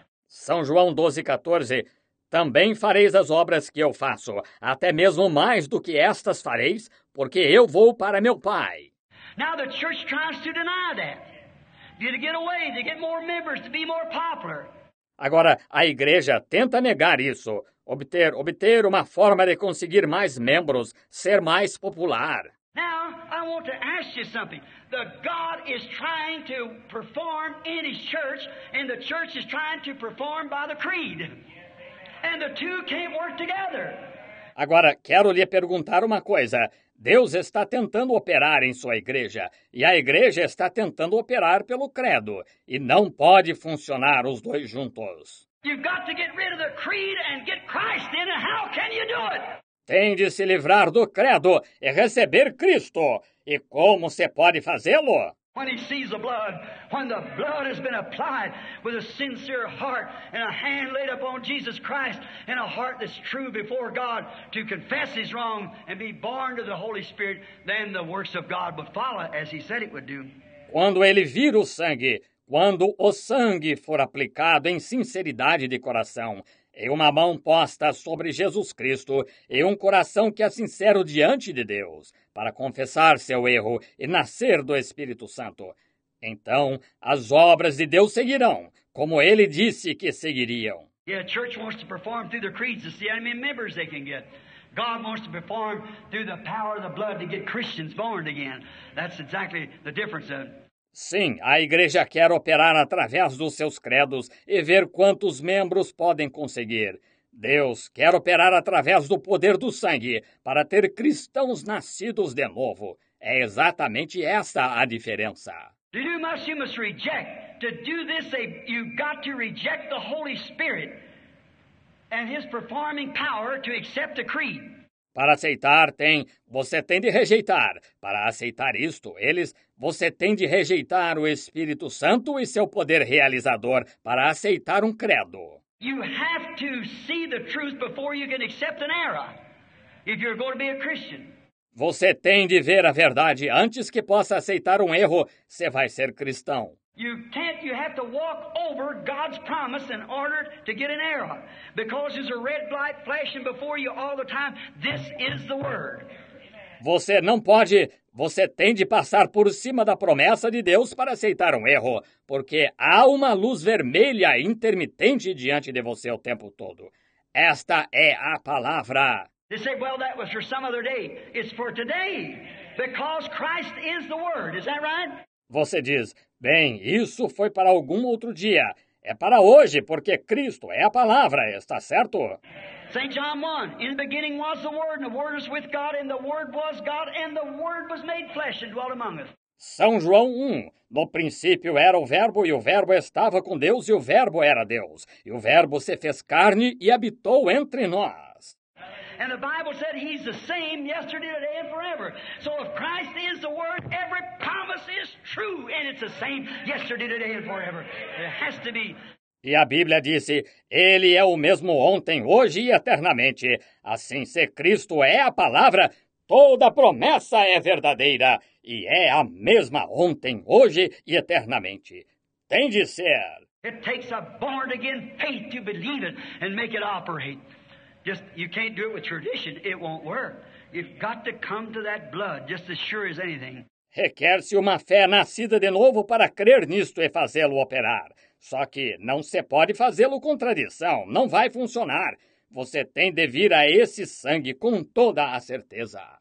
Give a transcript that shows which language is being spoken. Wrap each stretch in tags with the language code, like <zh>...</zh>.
<pt>São João 12:14. Também fareis as obras que eu faço, até mesmo mais do que estas fareis, porque eu vou para meu Pai.</pt> <en>Now the church tries to deny that. To get away, to get more members, to be more popular.</en> <pt>Agora, a igreja tenta negar isso, obter uma forma de conseguir mais membros, ser mais popular.</pt> <en>Now, I want to ask you something. The God is trying to perform in His church, and the church is trying to perform by the creed. And the two can't work together.</en> <pt>Agora, quero lhe perguntar uma coisa. Deus está tentando operar em sua igreja, e a igreja está tentando operar pelo credo, e não pode funcionar os dois juntos.</pt> <en>You've got to get rid of the creed and get Christ in it. How can you do it?</en> <pt>Tem de se livrar do credo e receber Cristo. E como você pode fazê-lo?</pt> <en>When he sees the blood, when the blood has been applied with a sincere heart and a hand laid upon Jesus Christ and a heart that's true before God to confess his wrong and be born to the Holy Spirit, then the works of God would follow as he said it would do.</en> <pt>Quando ele vir o sangue, quando o sangue for aplicado em sinceridade de coração, e uma mão posta sobre Jesus Cristo e um coração que é sincero diante de Deus para confessar seu erro e nascer do Espírito Santo. Então, as obras de Deus seguirão, como Ele disse que seguiriam.</pt> <en>Yeah, a church wants to perform through the creeds to see how many members they can get. God wants to perform through the power of the blood to get Christians born again. That's exactly the difference of...</en> <pt>Sim, a igreja quer operar através dos seus credos e ver quantos membros podem conseguir. Deus quer operar através do poder do sangue para ter cristãos nascidos de novo. É exatamente essa a diferença.</pt> <en>You must reject. To do this, you've got to reject the Holy Spirit and His performing power to accept the creed.</en> <pt>Para aceitar, você tem de rejeitar. Para aceitar isto, você tem de rejeitar o Espírito Santo e seu poder realizador para aceitar um credo.</pt> <en>You have to see the truth before you can accept an error if you're going to be a Christian.</en> <pt>Você tem de ver a verdade antes que possa aceitar um erro se vai ser cristão.</pt> <en>You have to walk over God's promise in order to get an arrow. Because there's a red light flashing before you all the time. This is the word.</en> <pt>Você não pode, você tem de passar por cima da promessa de Deus para aceitar um erro, porque há uma luz vermelha intermitente diante de você o tempo todo. Esta é a palavra.</pt> <en>They say, well, that was for some other day. It's for today, because Christ is the word. Is that right?</en> <pt>Você diz, bem, isso foi para algum outro dia. É para hoje, porque Cristo é a palavra, está certo?</pt> <en>St. John 1, in the beginning was the Word, and the Word was with God, and the Word was God, and the Word was made flesh and dwelt among us.</en> <pt>São João 1, no princípio era o Verbo, e o Verbo estava com Deus, e o Verbo era Deus. E o Verbo se fez carne e habitou entre nós.</pt> <en>And the Bible said he's the same yesterday, today, and forever. So if Christ is the Word, every promise is true, and it's the same yesterday, today, and forever. It has to be.</en> <pt>E a Bíblia disse, ele é o mesmo ontem, hoje e eternamente. Assim, se Cristo é a palavra, toda promessa é verdadeira. E é a mesma ontem, hoje e eternamente. Tem de ser.</pt> <en>It takes a born again faith to believe it and make it operate. Just, you can't do it with tradition, it won't work. You've got to come to that blood, just as sure as anything.</en> <pt>Requer-se uma fé nascida de novo para crer nisto e fazê-lo operar. Só que não se pode fazê-lo com tradição, não vai funcionar. Você tem de vir a esse sangue com toda a certeza.</pt>